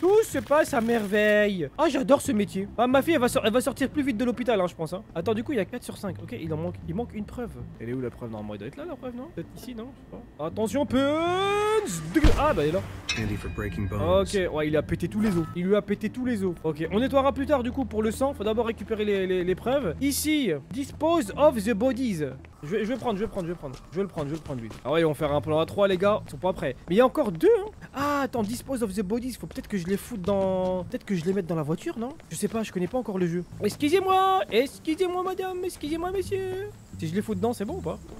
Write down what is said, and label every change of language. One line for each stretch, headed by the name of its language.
French: Tout se passe à merveille. Ah, oh, j'adore ce métier. Ah, ma fille, elle va sortir plus vite de l'hôpital, hein, je pense. Hein. Attends, du coup, il y a 4 sur 5. Ok, il manque une preuve. Elle est où la preuve? Normalement, elle doit être là, la preuve, non? Peut-être ici, non? Je sais pas. Attention, Pence. Ah, bah, elle est là.
English: Candy for breaking bones.
French: Ok, ouais, il lui a pété tous les os. Ok, on nettoiera plus tard, du coup, pour le sang. Faut d'abord récupérer les preuves.
English: Ici, dispose of the bodies.
French: Je vais le prendre lui. Ah ouais, ils vont faire un plan à 3 les gars, ils sont pas prêts. Mais il y a encore 2 hein. Ah attends,
English: dispose of the bodies,
French: faut peut-être que je les foute dans... Peut-être que je les mette dans la voiture, non? Je sais pas, je connais pas encore le jeu. Excusez-moi madame, excusez-moi monsieur. Si je les fous dedans, c'est bon ou pas?